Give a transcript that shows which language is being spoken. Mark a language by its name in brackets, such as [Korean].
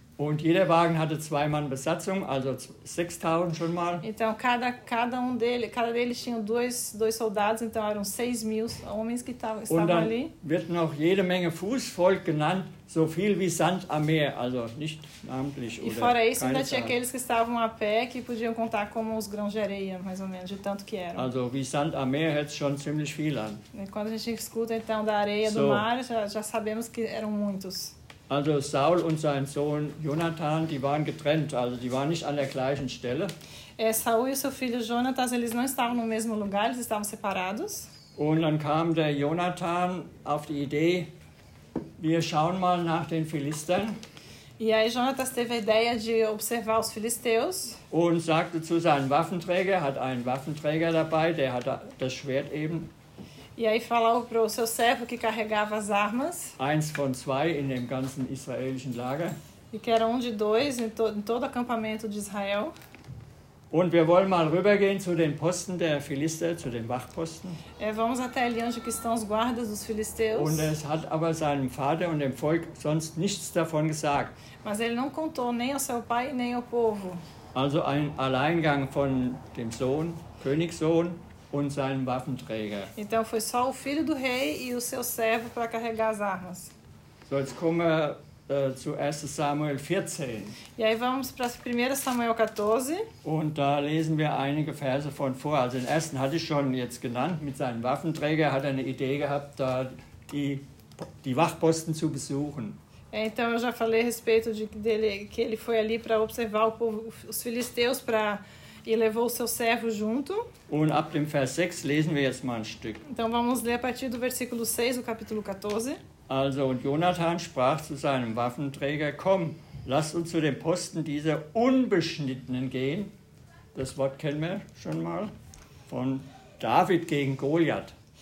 [German] Und jeder Wagen hatte 2 Mann Besatzung, also 6000 schon mal. [Portuguese] Então cada deles tinha dois soldados, então eram 6000 homens que estavam ali. [German] Und dann wird noch jede Menge Fußvolk genannt, so viel wie Sand am Meer, also nicht namentlich oder. [Portuguese] E fora isso, ainda tinha aqueles que estavam a pé, que podiam contar como os grãos de areia, mais ou menos, de tanto que eram. [German] Also wie Sand am Meer hört schon ziemlich viel an. [Portuguese] Quando a gente escuta então da areia do mar, já sabemos que eram muitos. [German] Also Saul und sein Sohn Jonathan, die waren getrennt, also die waren nicht an der gleichen Stelle. [Portuguese] Saul e seu filho Jonathan, eles não estavam no mesmo lugar, eles estavam separados. [German] Und dann kam der Jonathan auf die Idee, wir schauen mal nach den Philistern. [Portuguese] E aí Jonathan teve a ideia de observar os filisteus. [German] Und sagte zu seinem Waffenträger, hat einen Waffenträger dabei, der hat das Schwert eben. [Portuguese] E aí falou pro seu servo que carregava as armas. [German] Eins von zwei in dem ganzen israelischen Lager. [Portuguese] E que era 1 de 2 em todo acampamento de Israel. [German] Und wir wollen mal rübergehen zu den Posten der Philister, zu den Wachposten. [Portuguese] Vamos até ali onde que estão os guardas dos filisteus. [German] Und es hat aber seinem Vater und dem Volk sonst nichts davon gesagt. [Portuguese] Mas ele não contou nem ao seu pai nem ao povo. [German] Also ein Alleingang von dem Sohn, Königssohn. Und seinen Waffenträger. [Portuguese] Então foi só o filho do rei e o seu servo para carregar as armas. [German] So, jetzt kommen wir zu 1 Samuel 14. [Portuguese] E aí vamos para 1 Samuel 14. [German] Und da lesen wir einige Verse von vor. Also den ersten hatte ich schon jetzt genannt mit seinem Waffenträger. Hat eine Idee gehabt, da die Wachposten zu besuchen. [Portuguese] Então eu já falei a respeito que ele foi ali para observar o povo, os filisteus para... E levou seu servo junto. [German] Und ab dem Vers 6 lesen wir jetzt mal ein Stück. [Portuguese] Então vamos ler a partir do versículo 6 do capítulo 14. [German] Also und Jonathan sprach zu seinem Waffenträger: Komm, lass uns zu dem Posten dieser Unbeschnittenen gehen. Das Wort kennen wir schon mal von David gegen Goliath.